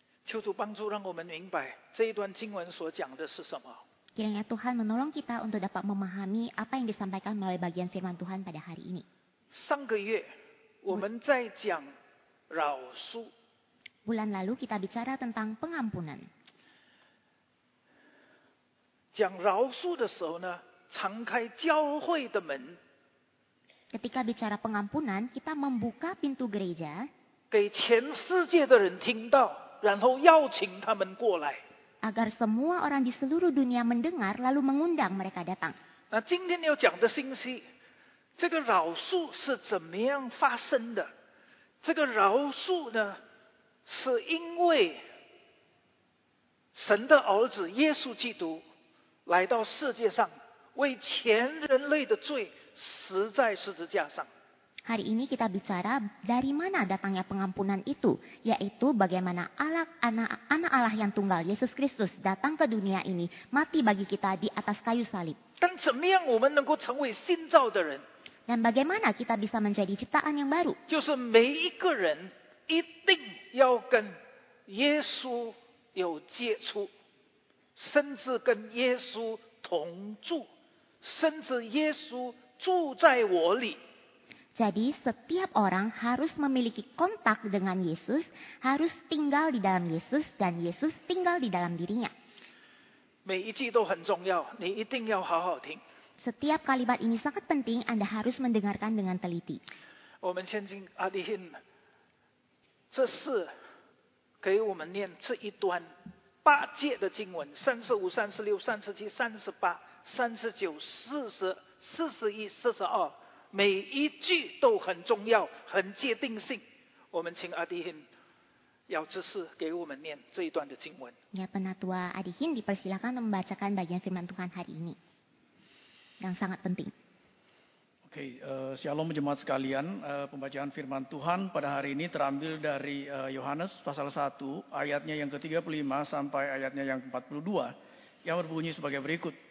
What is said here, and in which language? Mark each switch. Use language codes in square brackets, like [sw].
[zh] 求主帮助让我们明白这一段经文所讲的是什么。 [id] Kiranya Tuhan menolong kita untuk dapat memahami apa yang disampaikan melalui bagian firman Tuhan pada hari ini. [zh] 上个月我们在讲饶恕。 [id] Bulan lalu kita bicara tentang pengampunan. [zh] 讲饶恕的时候呢，敞开教会的门。 [id] Ketika bicara pengampunan, kita membuka pintu gereja. [zh] 给全世界的人听到，然后邀请他们过来。 [id] Agar semua orang di seluruh dunia mendengar, lalu mengundang mereka datang. [zh] 那今天要讲的信息，这个饶恕是怎么样发生的？这个饶恕呢？是因为神的儿子耶稣基督来到世界上，为全人类的罪死在十字架上。 [id] Hari ini kita bicara dari mana datangnya pengampunan itu, yaitu bagaimana anak Allah yang tunggal Yesus Kristus datang ke dunia ini, mati bagi kita di atas kayu salib. [zh] 但怎么样我们能够成为新造的人？ [id] Dan bagaimana kita bisa menjadi ciptaan yang baru? [zh] 就是每一个人一定要跟耶稣有接触，甚至跟耶稣同住，甚至耶稣住在我里。 [id] Jadi setiap orang harus memiliki kontak dengan Yesus, harus tinggal di dalam Yesus dan Yesus tinggal di dalam dirinya. [zh] 每一句都很重要，你一定要好好听。 [id] Setiap kalimat ini sangat penting, Anda harus mendengarkan dengan teliti. [zh] 我们先请阿迪欣。这是给我们念这一段八节的经文，三十五、三十六、三十七、三十八、三十九、四十、四十一、四十二，每一句都很重要，很决定性。我们请阿迪欣要知识给我们念这一段的经文。 [id] Ya, penatua Adihin, dipersilakan membacakan bagian firman Tuhan hari ini yang sangat penting. Okay, shalom jemaat sekalian. Pembacaan firman Tuhan pada hari ini terambil dari Yohanes pasal 1 ayatnya yang ke-35 sampai ayatnya yang ke-42 yang berbunyi sebagai berikut.